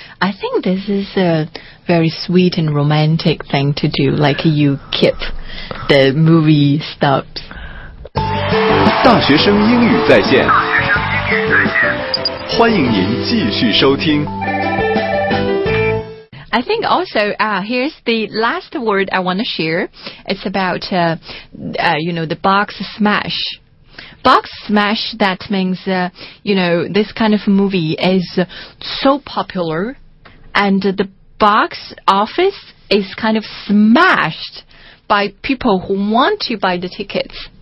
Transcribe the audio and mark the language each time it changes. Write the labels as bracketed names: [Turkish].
[English] I think this is a very sweet and romantic thing to do, like you keep the movie stubs. [Chinese] 大学生英语在线，欢迎您继续收听。 [English] I think also, here's the last word I want to share. It's about, you know, the box smash. Box smash, that means, you know, this kind of movie is so popular, and the box office is kind of smashed by people who want to buy the tickets.